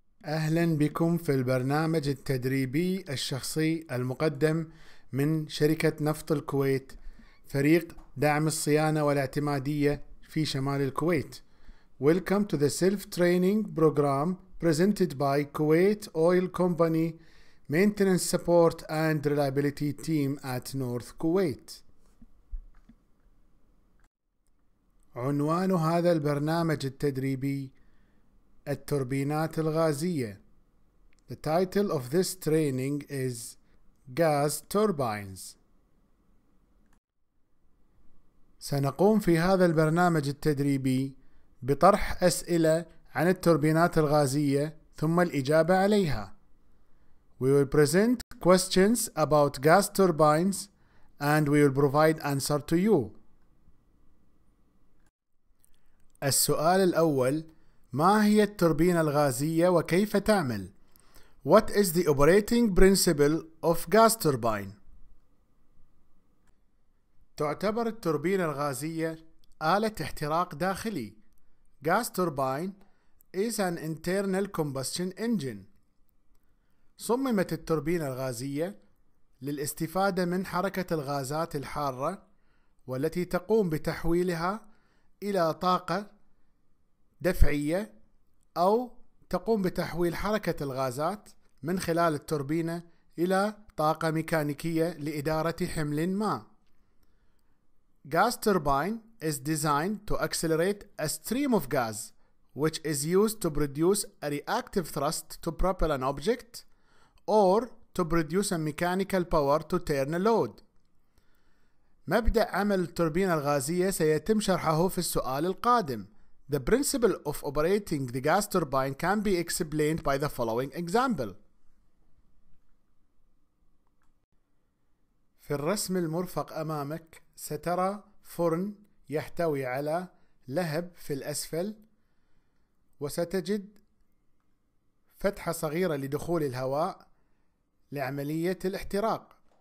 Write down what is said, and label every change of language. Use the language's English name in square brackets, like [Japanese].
[Arabic] أهلا بكم في البرنامج التدريبي الشخصي المقدم من شركة نفط الكويت فريق دعم الصيانة والاعتمادية في شمال الكويت. [English] Welcome to the self-training program presented by Kuwait Oil Company Maintenance Support and Reliability Team at North Kuwait. [Arabic] عنوان هذا البرنامج التدريبي التوربينات الغازية. [English] The title of this training is Gas Turbines. [Arabic] سنقوم في هذا البرنامج التدريبي بطرح أسئلة عن التوربينات الغازية ثم الإجابة عليها. [English] We will present questions about gas turbines and we will provide answer to you. [Arabic] السؤال الأول: ما هي التوربينة الغازية وكيف تعمل؟ [English] What is the operating principle of gas turbine؟ [Arabic] تعتبر التوربينة الغازية آلة احتراق داخلي. [English] Gas turbine is an internal combustion engine. [Arabic] صممت التوربينة الغازية للاستفادة من حركة الغازات الحارة والتي تقوم بتحويلها إلى طاقة دفعية أو تقوم بتحويل حركة الغازات من خلال التوربينة إلى طاقة ميكانيكية لإدارة حمل ما. [English] Gas turbine is designed to accelerate a stream of gas which is used to produce a reactive thrust to propel an object or to produce a mechanical power to turn a load. [Arabic] مبدأ عمل التوربينة الغازية سيتم شرحه في السؤال القادم. [English] The principle of operating the gas turbine can be explained by the following example. [Arabic] في الرسم المرفق أمامك سترى فرن يحتوي على لهب في الأسفل وستجد فتحة صغيرة لدخول الهواء لعملية الاحتراق.